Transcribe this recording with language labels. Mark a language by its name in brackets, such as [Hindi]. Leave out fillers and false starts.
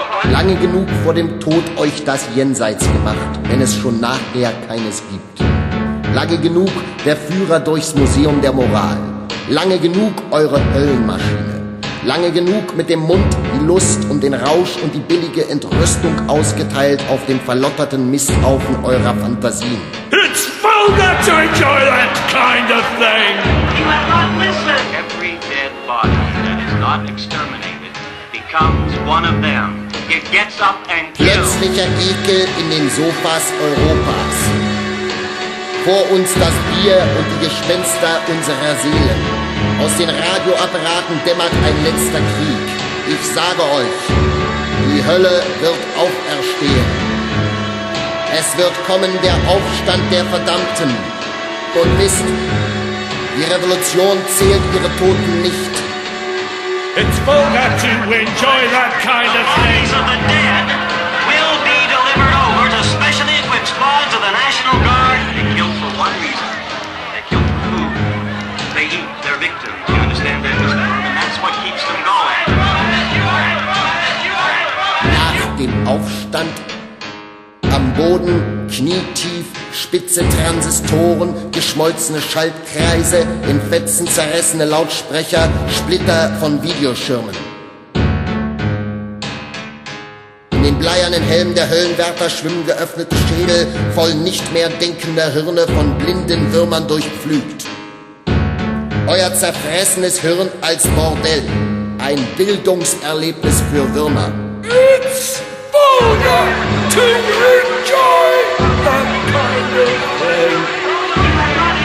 [German] Lange genug vor dem Tod euch das Jenseits gemacht, wenn es schon nachher keines gibt. Lange genug der Führer durchs Museum der Moral. Lange genug eure Höllenmaschine. Lange genug mit dem Mund die Lust und den Rausch und die billige Entrüstung ausgeteilt auf dem verlotterten Misthaufen eurer Fantasien. [English] It's vulgar to enjoy that kind of thing! You have not listened! Every dead body that is not exterminated becomes one of them. It gets up and kills. [German] Plötzlicher Ekel in den Sofas Europas. Vor uns das Bier und die Gespenster unserer Seelen. Aus den Radioapparaten dämmert ein letzter Krieg. Ich sage euch, die Hölle wird auferstehen. Es wird kommen der Aufstand der Verdammten. Und wisst, die Revolution zählt ihre Toten nicht. [English] It's vulgar to enjoy that kind of thing. The bodies of the dead will be delivered over to specially equipped squads of the National Guard. They killed for one reason. They killed for food. They eat their victims. You understand that? And that's what keeps them going. [German] Nach dem Aufstand. Am Boden, knietief, spitze Transistoren, geschmolzene Schaltkreise, in Fetzen zerrissene Lautsprecher, Splitter von Videoschirmen. In den bleiernen Helmen der Höllenwärter schwimmen geöffnete Schädel, voll nicht mehr denkender Hirne, von blinden Würmern durchpflügt. Euer zerfressenes Hirn als Bordell, ein Bildungserlebnis für Würmer. [English] It's vulgar to enjoy that kind of thing.